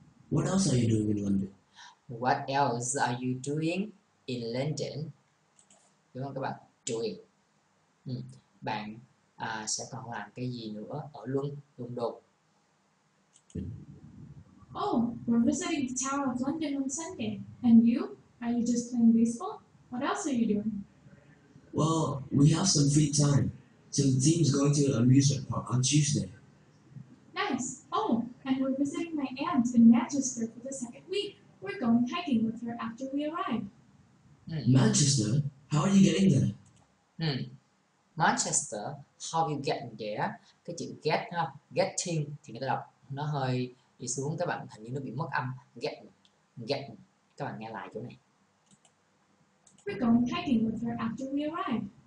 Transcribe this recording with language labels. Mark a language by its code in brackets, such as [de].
[en] What else are you doing in London? What else are you doing in London? [vi] Đúng không các bạn? [en] Doing. [vi] Bạn sẽ còn làm cái gì nữa ở London? [en] Oh, we're visiting the Tower of London on Sunday. And you? Are you just playing baseball? What else are you doing? Well, we have some free time. So the team's going to the amusement park on Tuesday. Nice! Oh, and we're visiting my aunt in Manchester for the second week. We're going hiking with her after we arrive. Manchester? How are you getting there? Manchester, how you get there? [vi] Cái chữ get ha, getting thì người ta đọc nó hơi đi xuống, các bạn hình như nó bị mất âm. Get, các bạn nghe lại chỗ này. [en] We're going hiking with her after we arrive.